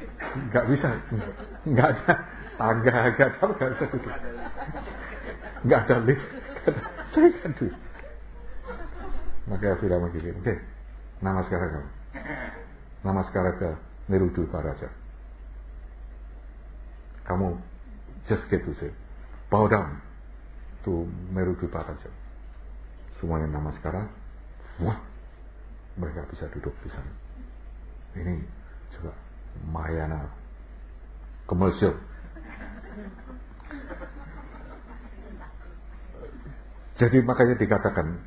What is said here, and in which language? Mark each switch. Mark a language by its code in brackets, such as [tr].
[id] Nggak bisa, nggak ada tangga, nggak bisa duduk, nggak ada lift, saya kan duduk. Makanya Fira mengikuti. Oke, nama sekarang kamu, nama sekarang ke Meru Dwaraja. [en] Kamu just get to say, bow down to Meru Dwaraja. [id] Semuanya nama sekarang, wah, mereka bisa duduk di sana. Ini juga Mahayana komersial. Jadi makanya dikatakan